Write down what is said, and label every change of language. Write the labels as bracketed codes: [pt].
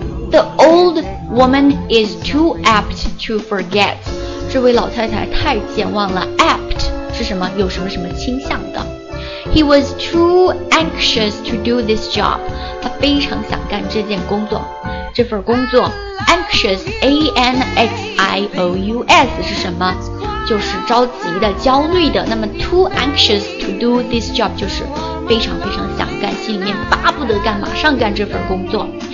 [en] The old woman is too apt to forget. [zh] 这位老太太太健忘了 apt. 是什么有什么什么倾向的。 [en] He was too anxious to do this job. [zh] 他非常想干这件工作，这份工作 anxious A-N-X-I-O-U-S 是什么，就是着急的焦虑的。那么 [en] too anxious to do this job [zh] 就是非常非常想干，心里面巴不得干，马上干这份工作。